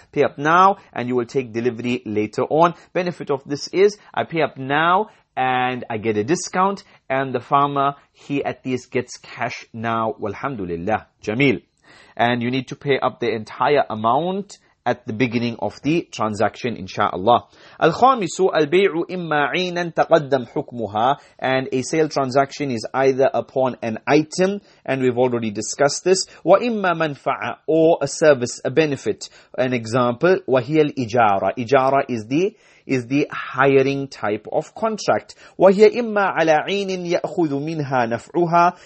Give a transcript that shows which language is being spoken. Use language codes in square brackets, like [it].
[en] Pay up now, and you will take delivery later on. Benefit of this is, I pay up now, and I get a discount, and the farmer, he at least gets cash now, walhamdulillah. Jameel. And you need to pay up the entire amount at the beginning of the transaction, inshallah. [ar] الخامس البيع إما عينا تقدم حكمها. [en] And a sale transaction is either upon an item, and we've already discussed this. [ar] وإما منفعة, [en] or a service, a benefit. An example, [ar] وهي الإجارة. [en] إجارة is the hiring type of contract. [ar] وَهِيَ إِمَّا عَلَىٰ عِينٍ يَأْخُذُ مِنْهَا نَفْعُهَا.